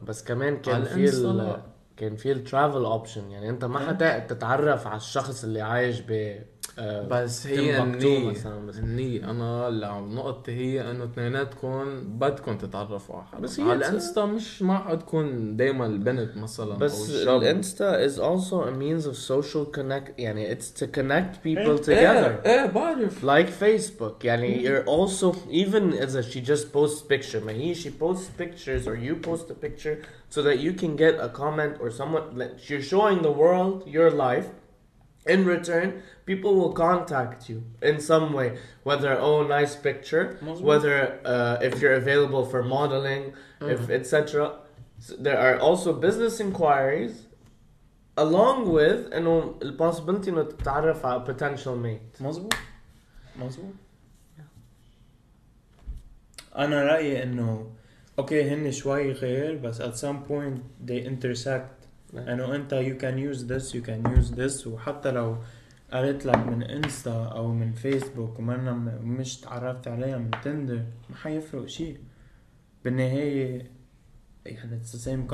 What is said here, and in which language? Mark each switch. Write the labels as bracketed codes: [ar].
[ar] بس كمان كان في الترافل اوبشن، يعني انت ما حتقعد تتعرف على الشخص اللي عايش ب بس هي النية النية أنا لعم نقطة هي أنه اتنيناتكم بدكم تتعرفوا على حد بس على الانستا مش ما عدكم دايما البنت مثلا بس الانستا [en] is also a means of social connect [ar] يعني [en] it's to connect people together [ar] ايه بعرف [en] like Facebook [ar] يعني [en] you're also even as a she just posts picture [ar] ما هي [en] she posts pictures or you post a picture so that you can get a comment or someone like, you're showing the world your life in return people will contact you in some way whether oh nice picture whether if you're available for modeling mm-hmm. if etc there are also business inquiries along with you know the possibility to [ar] تتعرف على [en] potential mate [ar] مزبوط انا رايي انه اوكي هن شوي غير بس [en] at some point they intersect [ar] أنا أنت [en] you can use this you can use this [ar] وحتى لو قريت لك من إنستا أو من فيسبوك وما أنا مش تعرفت عليها من تندر ما حيفرق شيء بالنهاية يعني [en] it's the same concept